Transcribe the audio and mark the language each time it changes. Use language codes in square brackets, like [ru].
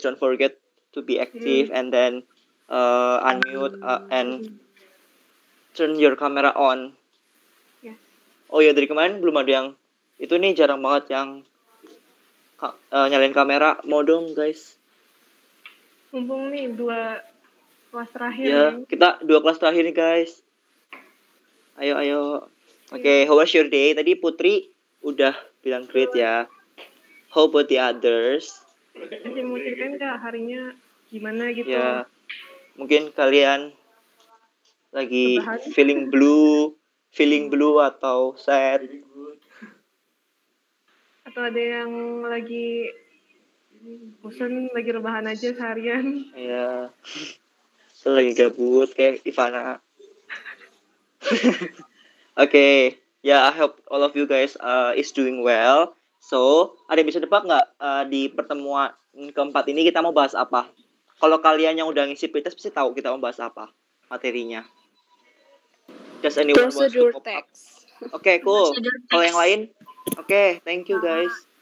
[en] Don't forget to be active and then unmute and turn your camera on. Yeah. [id] Oh ya, dari kemarin belum ada yang itu nih, jarang banget yang nyalain kamera. Mau dong guys. Mumpung nih dua kelas terakhir. Ya, kita dua kelas terakhir nih guys. Ayo, ayo. [en] Oke, okay, how was your day? [id] Tadi Putri udah bilang [en] great [id] ya. [en] How about the others? [id] Jadi mau ceritain gak harinya gimana gitu? Ya, mungkin kalian lagi bahan. [en] feeling blue [id] atau [en] sad? [id] Atau ada yang lagi bosan, lagi rebahan aja seharian? Iya. Saya lagi gabut kayak Ivana. [en] Oke, okay. Yeah, I hope all of you guys is doing well. [id] So, ada yang bisa tebak nggak di pertemuan keempat ini kita mau bahas apa? Kalau kalian yang udah ngisi pretest pasti tahu kita mau bahas apa materinya. [en] Just anyone wants to pop up. Oke, okay, cool. [id] Kalau yang lain? [en] Oke, okay, thank you guys.